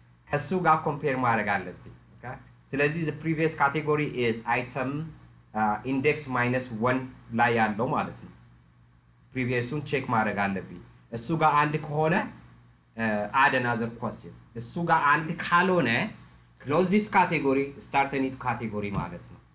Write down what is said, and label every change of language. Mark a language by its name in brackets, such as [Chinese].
[Amharic] ከሱ ጋር compare ማድረግ አለብኝ. [English] Okay? ስለዚህ the previous category is item index minus 1 [Amharic] ላይ ያለው ማለት ነው. Previousን check ማድረግ አለብኝ. እሱ ጋር አንድ ከሆነ [English] add another question. [Amharic] እሱ ጋር አንድ ካልሆነ [English] close this category, start a new category [Amharic] ማለት ነው.